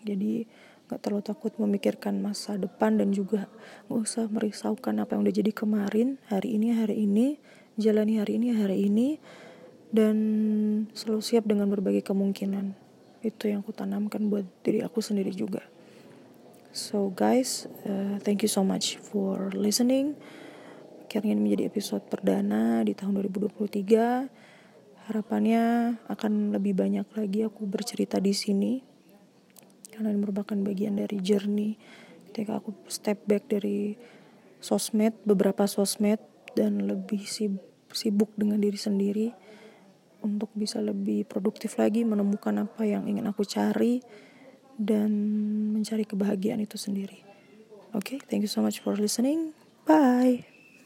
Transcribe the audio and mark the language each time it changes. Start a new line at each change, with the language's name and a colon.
Indonesian: Jadi gak terlalu takut memikirkan masa depan dan juga gak usah merisaukan apa yang udah jadi kemarin. Hari ini, jalani hari ini, dan selalu siap dengan berbagai kemungkinan. Itu yang aku tanamkan buat diri aku sendiri juga.
English: So guys, thank you so much for listening.
Indonesian: Akhirnya ini menjadi episode perdana di tahun 2023. Harapannya akan lebih banyak lagi aku bercerita di sini, karena ini merupakan bagian dari journey ketika aku step back dari sosmed, beberapa sosmed, dan lebih sibuk dengan diri sendiri untuk bisa lebih produktif lagi, menemukan apa yang ingin aku cari dan mencari kebahagiaan itu sendiri.
English: Okay, thank you so much for listening. Bye.